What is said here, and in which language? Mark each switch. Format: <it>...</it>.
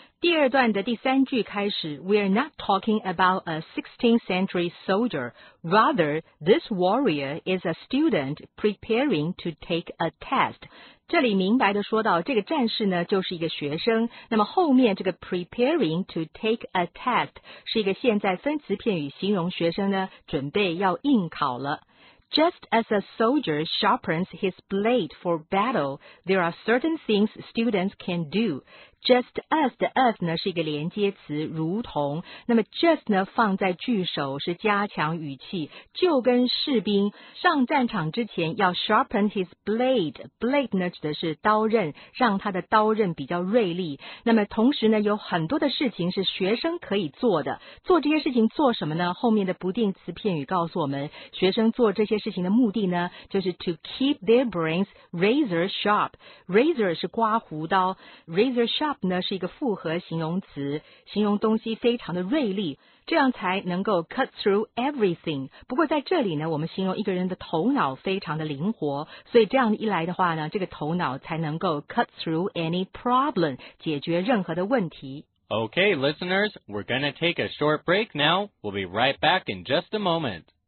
<zh>第二段的第三句开始</zh> <en>，We are not talking about a 16th century soldier. Rather, this warrior is a student preparing to take a test.</en> <zh>这里明白的说到，这个战士呢就是一个学生。那么后面这个</zh> <en>preparing to take a test</en> <zh>是一个现在分词片语，形容学生呢准备要应考了。</zh> <en>Just as a soldier sharpens his blade for battle, there are certain things students can do. Just as</en> <zh>的 as 呢是一个连接词，如同。那么 just 呢放在句首是加强语气，就跟士兵上战场之前要</zh> <en>sharpen his blade。</en> <zh>blade 呢指的是刀刃，让他的刀刃比较锐利。那么同时呢有很多的事情是学生可以做的。做这些事情做什么呢？后面的不定词片语告诉我们，学生做这些事情的目的呢，就是</zh> <en>to keep their brains razor sharp。</en> <zh>razor 是刮胡刀 ，</zh> <en>razor sharp</en> <zh>呢是一个复合形容词，形容东西非常的锐利，这样才能够</zh> <en>cut through everything。</en> <zh>不过在这里呢，我们形容一个人的头脑非常的灵活，所以这样一来的话呢，这个头脑才能够</zh> <en>cut through any problem，</en> <zh>解决任何的问题。</zh> <en>Okay, listeners, we're gonna take a short break now. We'll be right back in just a moment.</en>